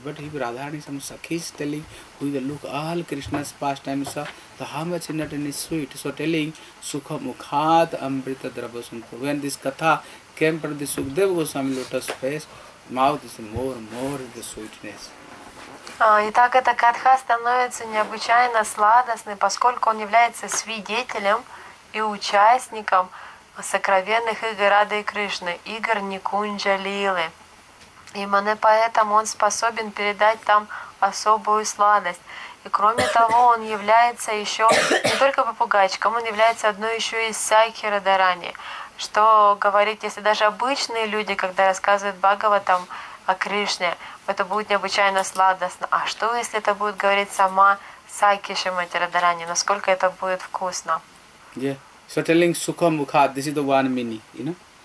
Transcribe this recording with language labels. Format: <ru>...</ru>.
<en>But if Radharani, some Sakhi is telling, who is the look, all Krishna's pastime, so how much in it is sweet. So telling, Sukha Mukhat Amrita Dravasunko. When this Katha came from the Sukadeva Goswami lotus face, mouth is more the sweetness.</en> <ru>Итак, эта Катха становится необычайно сладостной, поскольку он является свидетелем и участником сокровенных игр Рады и Кришны, игр Никунджа Лилы. Именно поэтому он способен передать там особую сладость. И кроме того, он является еще не только попугайчиком, он является одной еще из Сакхи Радхарани. Что говорить, если даже обычные люди, когда рассказывают Бхагаватам о Кришне, это будет необычайно сладостно. А что, если это будет говорить сама Сакхи Шримати Радхарани? Насколько это будет вкусно?</ru> <en>Yeah. So telling Sukha Mukha, this is the one meaning, you know.</en>